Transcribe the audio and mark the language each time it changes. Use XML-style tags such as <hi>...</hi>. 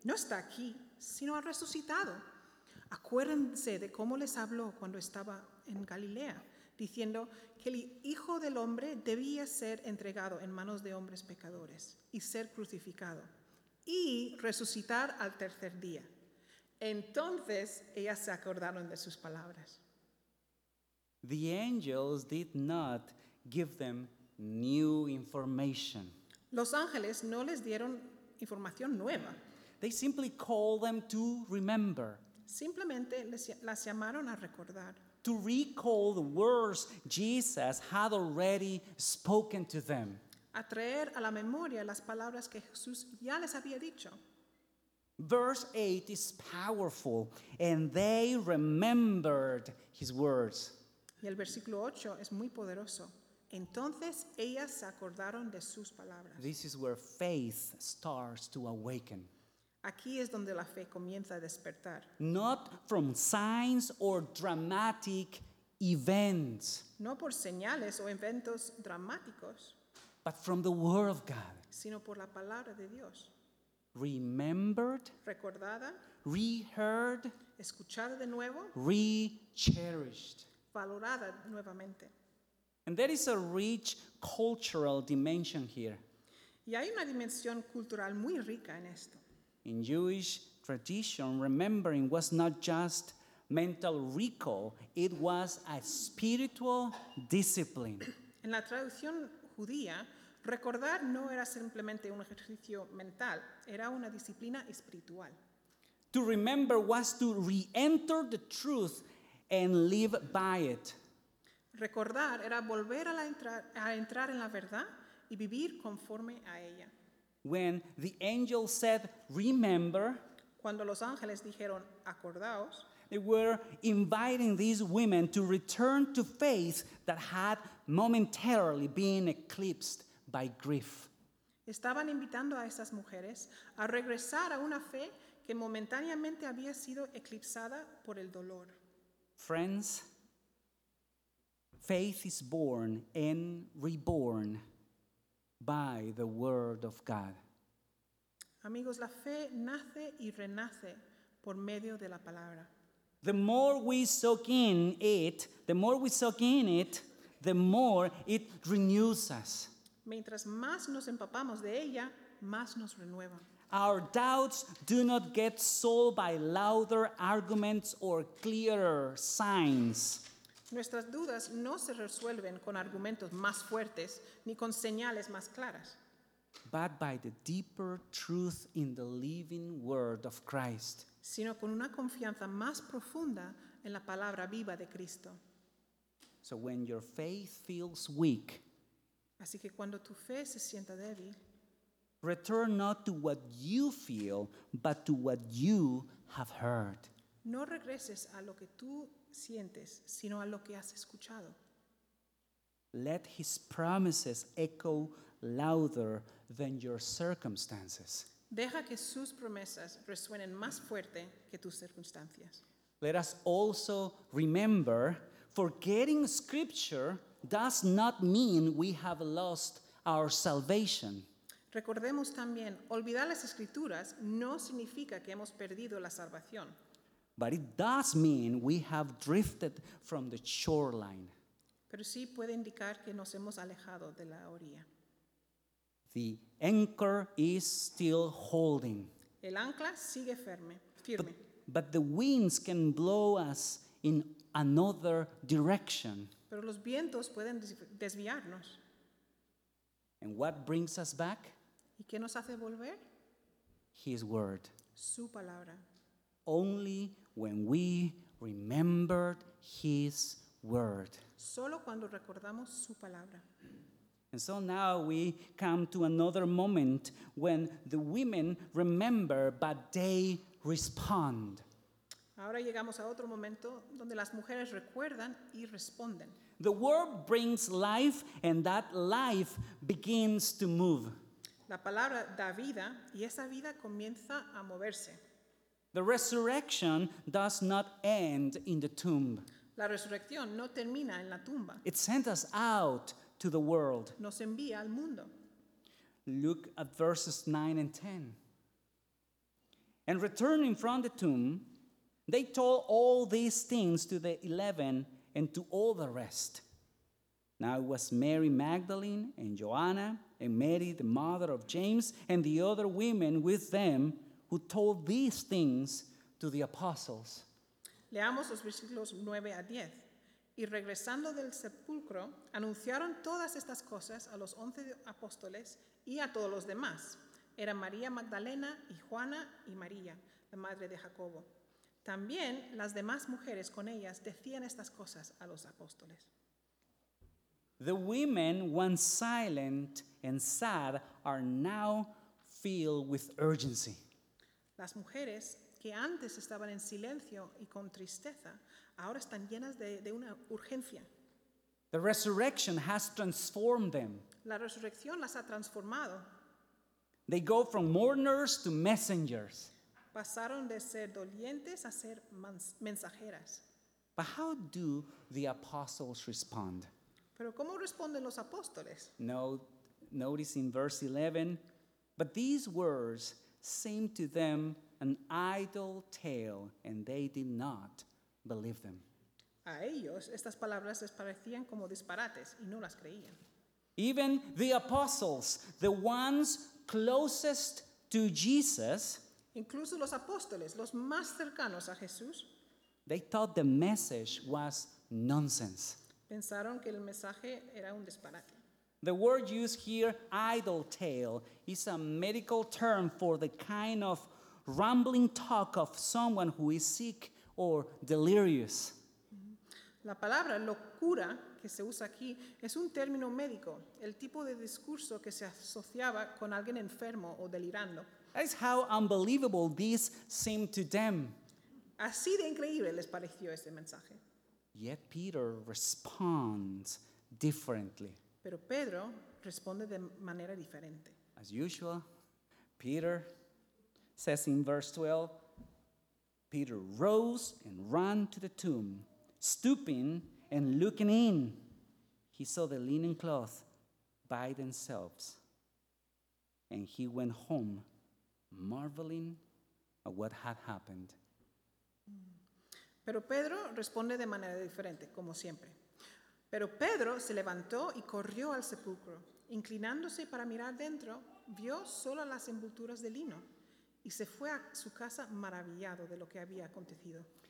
<es>No está aquí, sino ha resucitado. Acuérdense de cómo les habló cuando estaba en Galilea, diciendo que el Hijo del Hombre debía ser entregado en manos de hombres pecadores y ser crucificado y resucitar al tercer día. Entonces ellas se acordaron de sus palabras.</es> <en>The angels did not give them new information.</en> <es>Los ángeles no les dieron información nueva.</es> <en>They simply called them to remember.</en> <es>Simplemente las llamaron a recordar.</es> <en>To recall the words Jesus had already spoken to them.</en> <es>A traer a la memoria las palabras que Jesús ya les había dicho.</es> <en>Verse 8 is powerful, and they remembered his words.</en> <es>Y el versículo 8 es muy poderoso. Entonces ellas se acordaron de sus palabras.</es> <en>This is where faith starts to awaken.</en> <es>Aquí es donde la fe comienza a despertar.</es> <en>Not from signs or dramatic events.</en> <es>No por señales o eventos dramáticos.</es> <en>But from the word of God.</en> <es>Sino por la palabra de Dios.</es> <en>Remembered.</en> <es>Recordada.</es> <en>Reheard.</en> <es>Escuchada de nuevo.</es> <en>Re-cherished.</en> <es>Valorada nuevamente.</es> <en>And there is a rich cultural dimension here.</en> <es>Y hay una dimensión cultural muy rica en esto.</es> <en>In Jewish tradition, remembering was not just mental recall, it was a spiritual discipline.</en> <es>En la traducción judía, recordar no era simplemente un ejercicio mental, era una disciplina espiritual.</es> <en>To remember was to re-enter the truth and live by it.</en> <es>Recordar era volver a entrar en la verdad y vivir conforme a ella.</es> <en>When the angel said, "Remember,"</en> <es>cuando los ángeles dijeron, "Acordaos,"</es> <en>they were inviting these women to return to faith that had momentarily been eclipsed by grief.</en> <es>Estaban invitando a esas mujeres a regresar a una fe que momentáneamente había sido eclipsada por el dolor.</es> <en>Friends, faith is born and reborn by the word of God.</en> <es>Amigos, la fe nace y renace por medio de la palabra.</es> <en>The more we soak in it, the more we soak in it, the more it renews us.</en> <es>Mientras más nos empapamos de ella, más nos renueva.</es> <en>Our doubts do not get solved by louder arguments or clearer signs.</en> <es>Nuestras dudas no se resuelven con argumentos más fuertes ni con señales más claras.</es> <en>But by the deeper truth in the living word of Christ.</en> <es>Sino con una confianza más profunda en la palabra viva de Cristo.</es> <en>So when your faith feels weak,</en> <es>así que cuando tu fe se sienta débil,</es> <en>return not to what you feel, but to what you have heard.</en> <es>No regreses a lo que tú sientes, sino a lo que has escuchado.</es> <en>Let his promises echo louder than your circumstances.</en> <es>Deja que sus promesas resuenen más fuerte que tus circunstancias.</es> <en>Let us also remember, forgetting scripture does not mean we have lost our salvation.</en> <es>Recordemos también, olvidar las escrituras no significa que hemos perdido la salvación.</es> <en>But it does mean we have drifted from the shoreline.</en> <es>Pero sí puede indicar que nos hemos alejado de la orilla.</es> <en>The anchor is still holding.</en> <es>El ancla sigue firme.</es> <en>But the winds can blow us in another direction.</en> <es>Pero los vientos pueden desviarnos.</es> <en>And what brings us back?</en> <es>¿Y qué nos hace volver?</es> <en>His word.</en> <es>Su palabra.</es> <en>Only when we remembered his word.</en> <es>Solo cuando recordamos su palabra.</es> <en>And so now we come to another moment when the women remember, but they respond.</en> <es>Ahora llegamos a otro momento donde las mujeres recuerdan y responden.</es> <en>The word brings life, and that life begins to move.</en> <es>La palabra da vida, y esa vida comienza a moverse.</es> <en>The resurrection does not end in the tomb.</en> <es>La resurrección no termina en la tumba.</es> <en>It sent us out to the world.</en> <es>Nos envía al mundo.</es> <en>Look at verses 9 and 10. And returning from the tomb, they told all these things to the 11 and to all the rest. Now it was Mary Magdalene and Joanna and Mary, the mother of James, and the other women with them who told these things to the apostles.</en> <es>Leamos los versículos 9 a 10. Y regresando del sepulcro, anunciaron todas estas cosas a los 11 apóstoles y a todos los demás. Era María Magdalena y Juana y María, la madre de Jacobo. También las demás mujeres con ellas decían estas cosas a los apóstoles.</es> <en>The women, once silent and sad, are now filled with urgency.</en> <es>Las mujeres que antes estaban en silencio y con tristeza, ahora están llenas de una urgencia.</es> <en>The resurrection has transformed them.</en> <es>La resurrección las ha transformado.</es> <en>They go from mourners to messengers.</en> <es>Pasaron de ser dolientes a ser mensajeras.</es> <en>But how do the apostles respond?</en> <es>Pero ¿cómo responden los apóstoles?</es> <en>Notice in verse 11, but these words seem to them an idle tale, and they did not believe them.</en> <es>A ellos estas palabras les parecían como disparates y no las creían.</es> <en>Even the apostles, the ones closest to Jesus,</en> <es>incluso los apóstoles, los más cercanos a Jesús,</es> <en>they thought the message was nonsense.</en> <es>Pensaron que el mensaje era un disparate.</es> <en>The word used here, idle tale, is a medical term for the kind of rambling talk of someone who is sick or delirious.</en> <es>La palabra locura que se usa aquí es un término médico, el tipo de discurso que se asociaba con alguien enfermo o delirando.</es> <en>That is how unbelievable this seemed to them.</en> <es>Así de increíble les pareció este mensaje.</es> <en>Yet Peter responds differently.</en> <es>Pero Pedro responde de manera diferente.</es> <en>As usual, Peter says in verse 12, Peter rose and ran to the tomb, stooping and looking in. He saw the linen cloth by themselves, And he went home, marveling at what had happened.</en> <es>Pero Pedro responde de manera diferente, como siempre. Pero Pedro se levantó y corrió al sepulcro. Inclinándose para mirar dentro, vio solo las envolturas de lino y se fue a su casa maravillado de lo que había acontecido.</es>